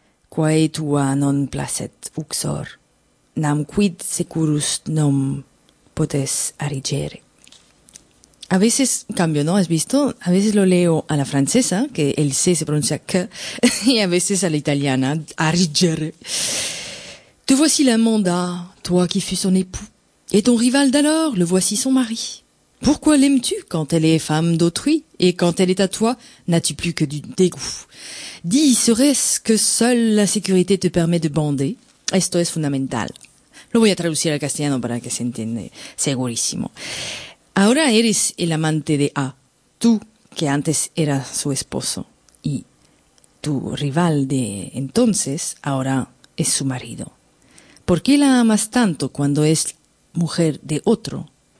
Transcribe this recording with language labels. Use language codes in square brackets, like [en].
[la] Quae tua non placet uxor, nam quid securus nom potes arigere. [es] A veces cambio, ¿no? ¿Has visto? A veces lo leo a la francesa, que el C se pronuncia que, y a veces a la italiana, arigere. [fr] Te voici l'amandat, toi qui fus son époux, et ton rival d'alors, le voici son mari. Pourquoi l'aimes-tu quand elle est femme d'autrui, et quand elle est à toi, n'as-tu plus que du dégoût? Dis, serait-ce que seule la sécurité te permet de bander? [es] Esto es fundamental. Lo voy a traducir al castellano para que se entienda segurísimo. Ahora eres el amante de A, tú que antes eras su esposo, y tu rival de entonces ahora es su marido. ¿Por qué la amas tanto cuando es mujer de otro?